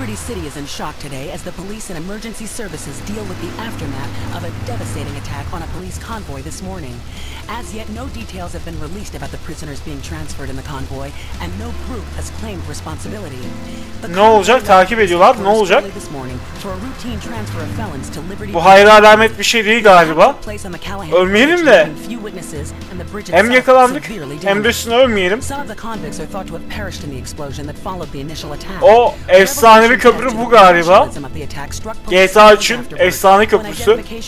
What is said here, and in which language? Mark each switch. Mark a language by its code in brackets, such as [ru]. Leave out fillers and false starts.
[en] City is in shock today as the police and emergency services deal with the aftermath of a devastating attack on a police convoy this morning. As yet, no details have been released about the prisoners being transferred in the convoy, and no group has claimed responsibility. [tr] Ne olacak? Takip ediyorlar. Ne olacak? [en] This morning, for a routine transfer of felons to Liberty. [tr] Bu hayır alamet bir şey değil galiba. Ölmeyelim de. Hem yakalandık, hem de üstüne ölmeyelim. [en] Some of the convicts are thought to have perished in the explosion that followed the initial attack. [tr] O efsane bir köprü bu galiba. GTA 3'ün efsane köprüsü.